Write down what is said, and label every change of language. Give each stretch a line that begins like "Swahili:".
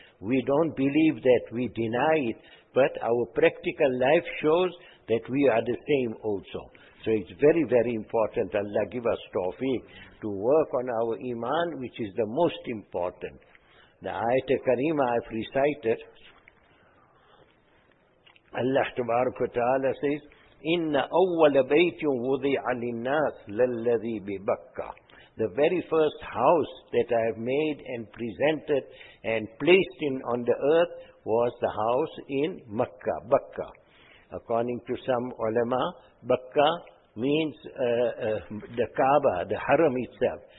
English: We don't believe that. We deny it. But our practical life shows that we are the same also. So it's very, very important. Allah give us tawfiq to work on our Iman, which is the most important. The ayat-e kareema I've recited. Allah tabarak wa ta'ala says,
Arabic: إِنَّ أَوَّلَ بَيْتٌ وُضِعَ لِلنَّاسِ لَلَّذِي بِبَكَّةٍ.
English: The very first house that I have made and presented and placed in on the earth was the house in Makkah, Bakkah. According to some ulama, Bakkah means the Kaaba, the Haram itself.